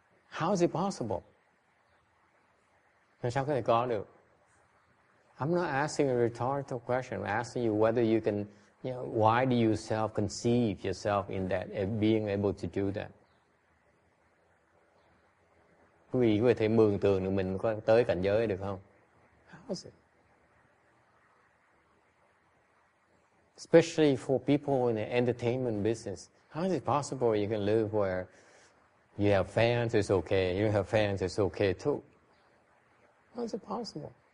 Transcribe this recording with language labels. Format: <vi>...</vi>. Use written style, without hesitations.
<en>How is it possible?</en> <vi>Sao có thể có được?</vi> <en>I'm not asking a rhetorical question. I'm asking you whether you can, you know, why do you self-conceive yourself in that, being able to do that?</en> <vi>Quý vị có thể mường tượng được mình có tới cảnh giới được không?</vi> <en>How is it? Especially for people in the entertainment business, how is it possible you can live where you have fans, it's okay, you don't have fans, it's okay too? How is it possible?</en>